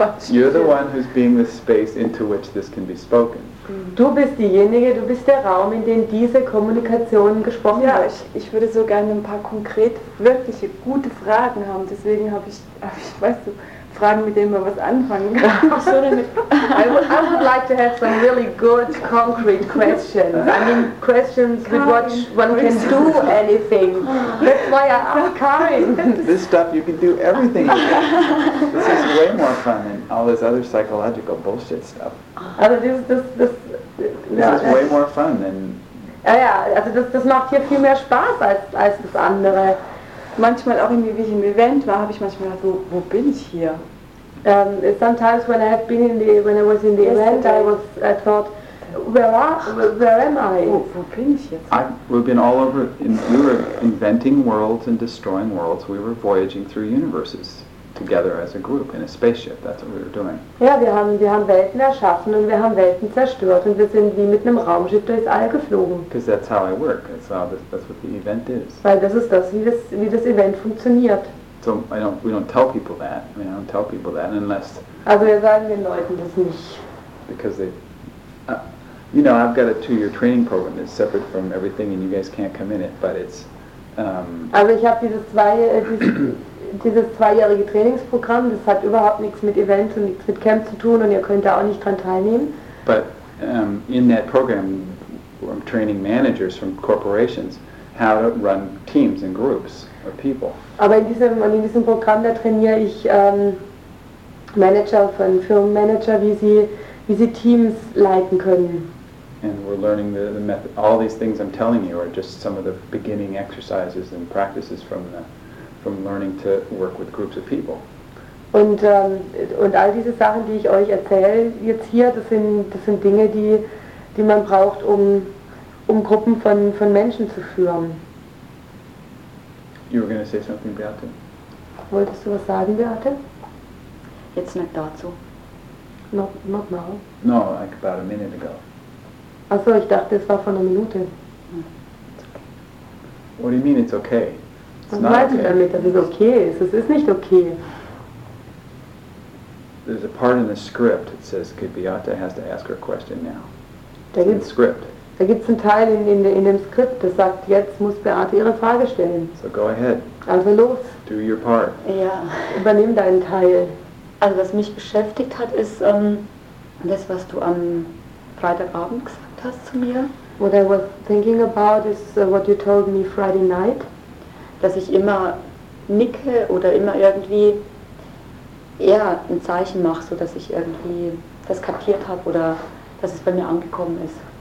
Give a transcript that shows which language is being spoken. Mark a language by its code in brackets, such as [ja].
[en] You're the one who's being the space into which this can be spoken. [de] Du bist diejenige, du bist der Raum, in dem diese Kommunikation gesprochen wird. Ja, ich würde so gerne ein paar konkrete, wirkliche, gute Fragen haben. Deswegen habe ich, weißt du, Fragen, mit denen man was anfangen kann. [en] I would like to have some really good, concrete questions. I mean, questions with which one can do anything. That's why I asked Karin. This stuff, you can do everything. This is way more fun than all this other psychological bullshit stuff. Also this is way more fun than... [de] Ja, ja, also das macht hier viel mehr Spaß als das andere. Manchmal auch irgendwie, wie ich im Event war, habe ich manchmal gedacht, wo bin ich hier? [en] Sometimes when I have been in the, when I was in the event, I thought, where am I? [de] Wo bin ich jetzt? [en] We've been all over, we were inventing worlds and destroying worlds, we were voyaging through universes. Together as a group in a spaceship. That's what we were doing. [de] Ja, wir haben Welten erschaffen und wir haben Welten zerstört und wir sind wie mit einem Raumschiff durchs All geflogen. [en] Because that's how I work. That's what the event is. [de] Weil das ist das, wie das Event funktioniert. [en] So we don't tell people that. I mean, I don't tell people that unless. [de] Also wir sagen den Leuten das nicht. [en] Because they, you know, I've got a two-year training program that's separate from everything, and you guys can't come in it, but it's. [de] Also ich habe dieses zweijährige Trainingsprogramm, das hat überhaupt nichts mit Events und nichts mit Camp zu tun und ihr könnt da auch nicht dran teilnehmen. [en] But in that program, I'm training managers from corporations how to run teams and groups of people. [de] Aber in diesem Programm, da trainiere ich Manager von Firmenmanager, wie sie Teams leiten können. [en] And we're learning the method. All these things I'm telling you are just some of the beginning exercises and practices from learning to work with groups of people. [de] Und all diese Sachen, die ich euch erzähle jetzt hier, das sind Dinge, die man braucht, um Gruppen von Menschen zu führen. [en] You were going to say something, Beate? [de] Wolltest du was sagen, Beate? Jetzt nicht dazu. [en] Not now. No, like about a minute ago. [de] Achso, ich dachte, es war vor einer Minute. [en] What do you mean, it's okay? [de] Was meinst du damit, dass es okay ist? Es ist nicht okay. [en] There's a part in the script that says Beate has to ask her question now. [de] Da gibt's einen Teil in dem Skript, das sagt, jetzt muss Beate ihre Frage stellen. [en] So go ahead. [de] Also los. [en] Do your part. [de] Ja. Übernimm deinen Teil. Also was mich beschäftigt hat, ist das, was du am Freitagabend gesagt hast zu mir. [en] What I was thinking about is what you told me Friday night. [de] Dass ich immer nicke oder immer irgendwie eher ein Zeichen mache, so dass ich irgendwie das kapiert habe oder dass es bei mir angekommen ist.